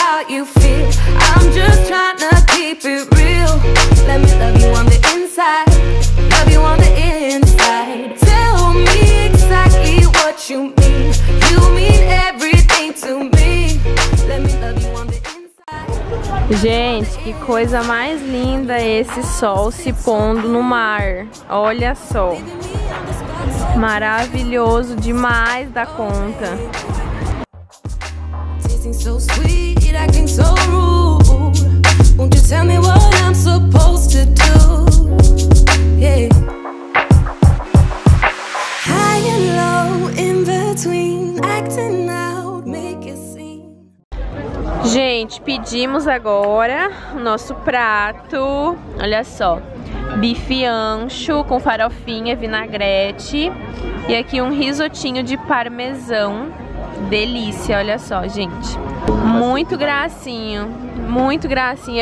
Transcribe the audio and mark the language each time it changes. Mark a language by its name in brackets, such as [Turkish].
[English] you feel. I'm just trying to keep it real. Let me love you on the inside, love you on the inside. Tell me exactly what you mean. You mean everything to me. Let me love you on the inside. [Portuguese] Gente, que coisa mais linda esse sol se pondo no mar. Olha só. Maravilhoso demais da conta. [English] So sweet, acting so rude. Won't you tell me what I'm supposed to do? Yeah. High and low in between, acting out, make a scene. [Portuguese] Gente, pedimos agora nosso prato. Olha só. Bife ancho com farofinha, vinagrete e aqui um risotinho de parmesão. Delícia, olha só, gente. Muito gracinho, muito gracinho.